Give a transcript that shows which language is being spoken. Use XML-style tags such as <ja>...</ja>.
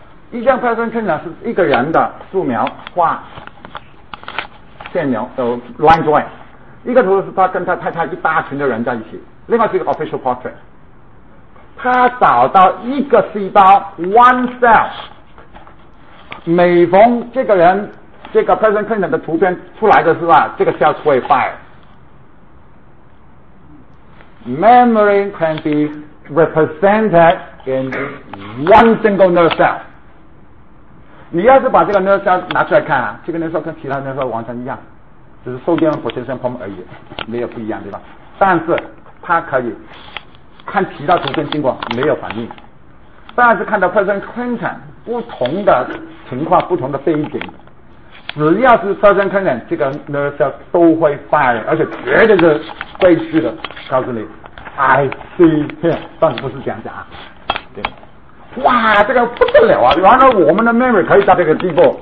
<zh>一张 President Clinton 是一个人的素描画线描</zh> <en>line drawing，</en> <zh>一个图是他跟他太太一大群的人在一起，另外是一个</zh> <en>official portrait。</en> <zh>他找到一个细胞</zh> <en>one cell，</en> <zh>每逢这个人这个 President Clinton 的图片出来的时候，这个 cell 会 fire。</zh> <en>Memory can be represented in one single nerve cell。</en> <zh>你要是把这个 nerve cell 拿出来看啊，这个 nerve cell 跟其他 nerve cell 完全一样，只是受电</zh> <en>potential pump</en> <zh>而已，没有不一样对吧？但是它可以看其他图片经过没有反应，但是看到 President Clinton 不同的情况不同的背景，只要是 President Clinton 这个 nerve cell 都会 fire， 而且绝对是会去的，告诉你</zh> <en>I see him，</en> <zh>但是不是这样讲啊，对，哇这个不得了啊，原来我们的 memory 可以到这个地步。</zh>